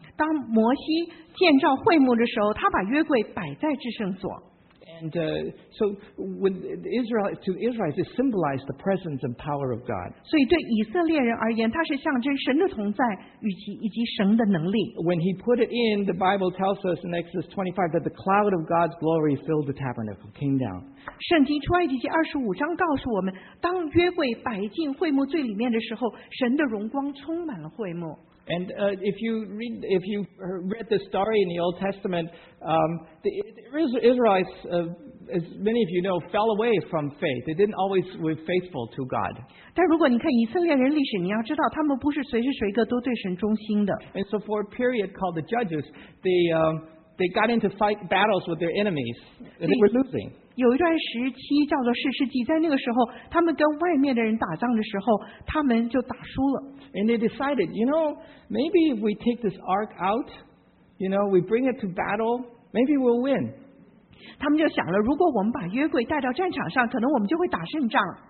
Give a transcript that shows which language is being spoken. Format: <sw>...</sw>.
<zh>当摩西建造会幕的时候，他把约柜摆在至圣所。</zh> <en>And so when Israel, to the Israelites, it symbolized the presence and power of God.</en> <zh>所以对以色列人而言，它是象征神的同在以及神的能力。</zh> <en>When he put it in, the Bible tells us in Exodus 25 that the cloud of God's glory filled the tabernacle, came down.</en> <zh>圣经出埃及记25章告诉我们，当约柜摆进会幕最里面的时候，神的荣光充满了会幕。</zh> <en>And if you read the story in the Old Testament, the Israelites, as many of you know, fell away from faith. They didn't always were faithful to God.</en> <zh>但如果你看以色列人历史，你要知道他们不是随时随刻都对神忠心的。</zh> <en>And so for a period called the Judges, they got into fight battles with their enemies, and they were losing.</en> <zh>有一段时期叫做士师记，在那个时候，他们跟外面的人打仗的时候，他们就打输了。</zh> <en>And they decided, you know, maybe if we take this ark out, you know, we bring it to battle, maybe we'll win.</en> <zh>他们就想了，如果我们把约柜带到战场上，可能我们就会打胜仗。</zh>